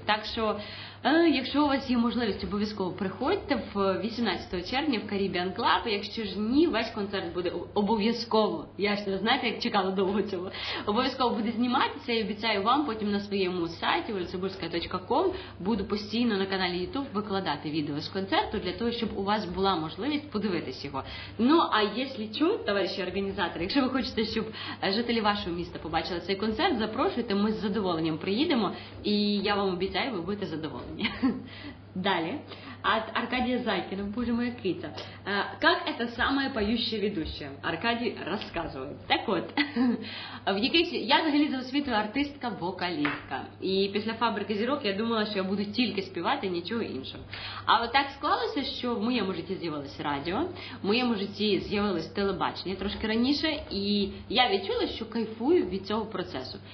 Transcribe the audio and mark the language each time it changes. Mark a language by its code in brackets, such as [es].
[uk] Так що, якщо у вас є можливість, обов'язково приходьте в 18 червня в Caribbean Club, якщо ж ні, весь концерт буде обов'язково, я ж не знаєте, як чекала довго цього, обов'язково буде зніматися, і обіцяю вам потім на своєму сайті www.olesyburskaya.com буду постійно на каналі YouTube викладати відео з концерту, для того, щоб у вас була можливість подивитись його. Ну, а якщо чу, товариші організатори, якщо ви хочете, щоб жителі вашого міста побачили цей концерт, запрошуйте, ми з задоволенням приїдемо, і я вам обіцяю, ви будете задоволені. [ru] Далее. От Аркадия Зайкина. Боже мой, какие -то. Как это самое поющее ведущее? Аркадий рассказывает. Так вот, [uk] в якийсь... я взагалі за освітою артистка-вокалістка. [ru] И после [uk] «Фабрики зірок» я [ru] думала, что я буду только [uk] співати, [ru] ничего [uk] іншого. [ru] А вот так [uk] склалося, что в моєму житті з'явилось радио, в моєму житті з'явилось телебачення трошки раніше, и я відчула, что кайфую від цього процесу.